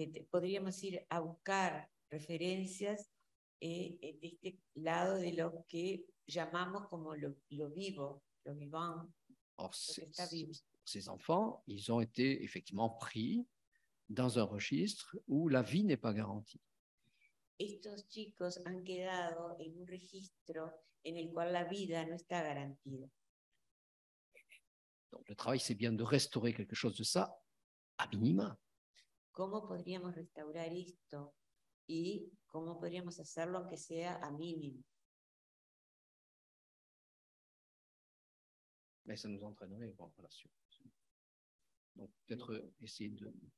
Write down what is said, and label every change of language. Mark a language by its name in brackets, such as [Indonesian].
[Spanish] Podríamos ir a buscar referencias de este lado de lo que llamamos como lo vivo, lo vivant. [French] Or, ces enfants, ils ont été effectivement pris dans un registre où la vie n'est pas garantie. [Spanish] Estos chicos han quedado en un registro en el cual la vida no está garantida. [French] Donc, le travail, c'est bien de restaurer quelque chose de ça, à minima. [Spanish] ¿Cómo podríamos restaurar esto? Y cómo podríamos hacerlo aunque sea a mínimo. [French] Mais ça nous entraînerait, bon, voilà, sûr. Donc, peut-être essayer de...